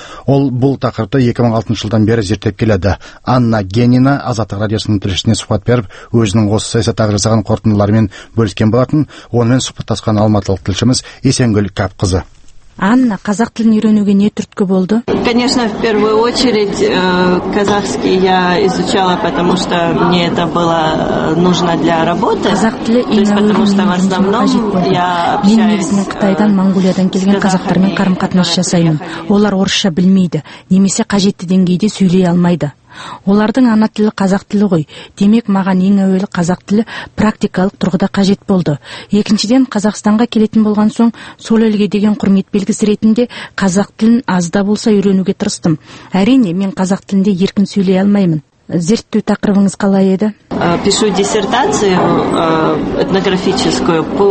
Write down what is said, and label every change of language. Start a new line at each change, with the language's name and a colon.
Kazakh: Ол бұл тақырыпты 2006 жылдан бері зерттеп келеді. Анна Генина Азаттық радиосының тілшісіне сұхбат беріп, өзінің осы саясаттағы жасаған қорытындыларымен бөліскен болатын. Онымен сұхбаттасқан алматылық тілшіміз Есенгүл Капқызы. Анна, қазақ тілін үйренуге не түрткі болды?
Russian: Конечно, в первую очередь казахский я изучала, потому что мне это было нужно для работы.
Kazakh: Қазақ тілі ең алдымен мен негізінен Қытайдан, Монголиядан келген қазақтармен қарым-қатынас жасаймын. Олар орысша білмейді, немесе қажетті деңгейде сөйлей алмайды. Олардың ана тілі қазақ тілі ғой. Демек маған ең әуелі қазақ тілі практикалық тұрғыда қажет болды. Екіншіден Қазақстанға келетін болған соң сол елге деген құрмет белгісі ретінде қазақ тілін азда болса үйренуге тырыстым. Әрине, мен қазақ тілінде еркін сөйлей алмаймын. Зерттеу тақырыбыңыз қалай еді?
Russian: Пишу диссертацию этнографическую.